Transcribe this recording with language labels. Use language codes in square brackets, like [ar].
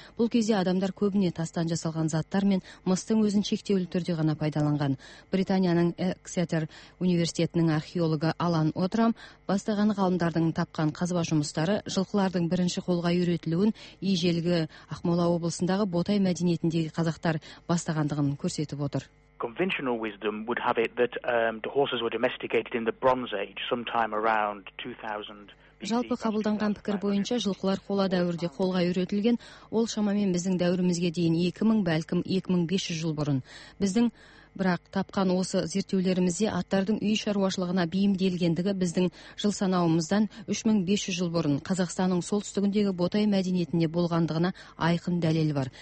[kk] Бұл кезде адамдар көбіне тастан жасалған заттар мен мыстың өзін шектеулі түрде ғана пайдаланған. Британияның Эксетер университетінің археологы Алан Отрам бастаған ғалымдардың тапқан қазба жұмыстары жылқылардың бірінші қолға үйретілуін ежелгі Ақмола облысындағы Ботай мәдениетіндегі қазақтар бастағандығын көрсетіп отыр. [en] Conventional wisdom would have it that the horses were domesticated in the Bronze Age sometime around 2000. [kk] Жалпы қабылданған пікір бойынша жылқылар қола дәуірде қолға үйретілген, ол шамамен біздің дәуірімізге дейін 2000 бәлкім 2500 жыл бұрын. Бірақ тапқан осы зерттеулерімізде аттардың үй шаруашылығына бейімделгендігі біздің жыл санауымыздан 3500 жыл бұрын Қазақстанның солтүстігіндегі Ботай мәдениетінде болғандығына айқын дәлел бар.